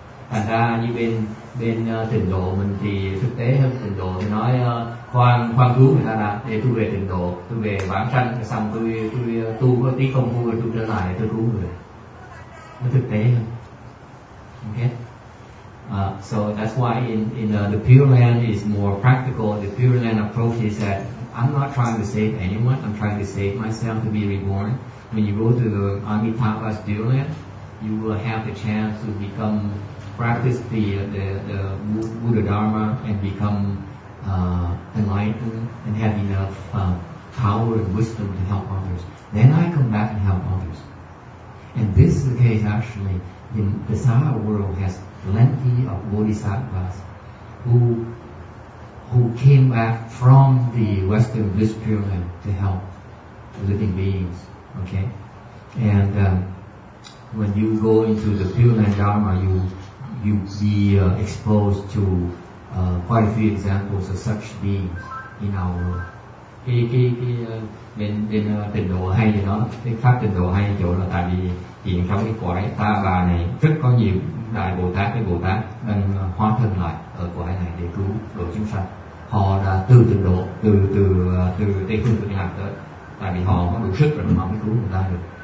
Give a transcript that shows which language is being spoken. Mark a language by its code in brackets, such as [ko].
[vi] Thành ra như bên tịnh độ mình thì thực tế hơn tịnh độ thì nói khoan cứu người ta đã, để tôi về tịnh độ, tôi về bản sanh xong tôi tu có tí công phu tôi trở lại tôi cứu người, nó thực tế hơn. [en] Okay. So that's why in the Pure Land is more practical. The Pure Land approach is that I'm not trying to save anyone, I'm trying to save myself to be reborn. When you go to the Amitabha's Pure Land, you will have the chance to become practice the Buddha Dharma and become enlightened and have enough power and wisdom to help others. Then I come back and help others. And this is the case actually in the Sangha world has plenty of bodhisattvas who came back from the Western Bliss Pyramid to help living beings. Okay? And when you go into the Pure Land Dharma, you be exposed to quite a few examples of such beings in our world. [vi] Cái bên bên tịnh độ hay gì đó, cái pháp tịnh độ hay chỗ là tại vì hiện trong cái cõi ta bà này rất có nhiều đại bồ tát, cái bồ tát đang hóa thân lại ở cõi này để cứu độ chúng sanh. Họ là từ tịnh độ từ tây phương cực lạc tới, tại vì họ có đủ sức rồi mà mới cứu người ta được.